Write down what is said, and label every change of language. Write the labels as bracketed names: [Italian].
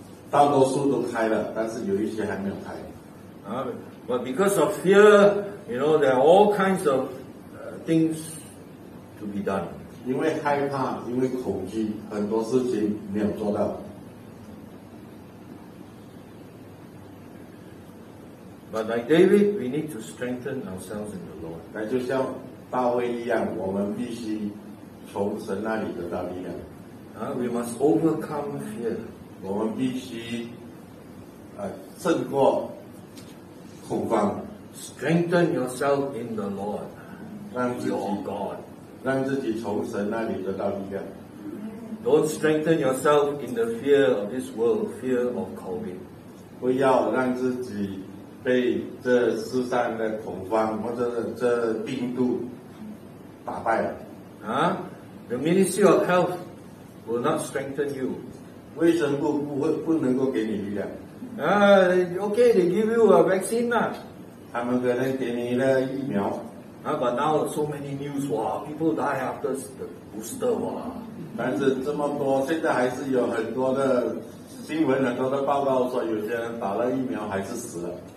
[Chinese] 大多数都开了，但是有一些还没有开。 [English] But because of fear, you know, there are all kinds of things to be done. [Chinese] 因为害怕，因为恐惧，很多事情没有做到。 [English] But like David, we need to strengthen ourselves in the Lord. [Chinese] 但就像大卫一样，我们必须从神那里得到力量。 [English] We must overcome fear. [Chinese] 我们必须胜过恐慌。 [English] Strengthen yourself in the Lord, your God. [Chinese] 让自己从神那里得到力量。 [English] Don't strengthen yourself in the fear of this world, fear of COVID. [Chinese] 不要让自己被这世上的恐慌或者这病毒打败了。 [English] The Ministry of Health. Will not strengthen you. [Chinese] 卫生部不能够给你力量。 [English] They give you a vaccine. [Chinese] 他们可能给你了疫苗。 [English] But now so many news, people die after the booster. [Chinese] 但是这么多，现在还是有很多的新闻，很多的报告说有些人打了疫苗还是死了。